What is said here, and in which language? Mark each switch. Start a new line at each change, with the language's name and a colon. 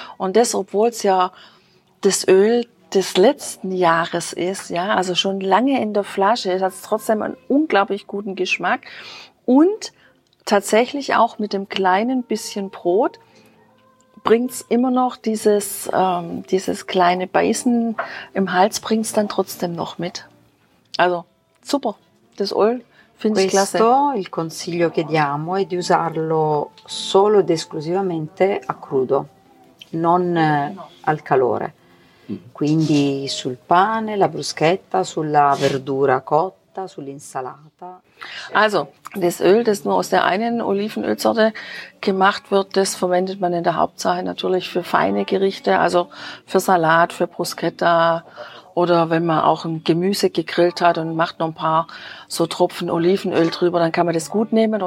German: Und das, obwohl es ja das Öl des letzten Jahres ist, ja, also schon lange in der Flasche, hat es trotzdem einen unglaublich guten Geschmack. Und tatsächlich auch mit dem kleinen bisschen Brot bringt es immer noch dieses kleine Beißen im Hals, bringt es dann trotzdem noch mit. Also super, das Öl.
Italian: Questo il consiglio che diamo è di usarlo solo ed esclusivamente a crudo, non al calore. Quindi sul pane, la bruschetta, sulla verdura cotta, sull'insalata.
German: Also, das Öl, das nur aus der einen Olivenölsorte gemacht wird, das verwendet man in der Hauptsache natürlich für feine Gerichte, also für Salat, für Bruschetta. Oder wenn man auch ein Gemüse gegrillt hat und macht noch ein paar so Tropfen Olivenöl drüber, dann kann man das gut nehmen.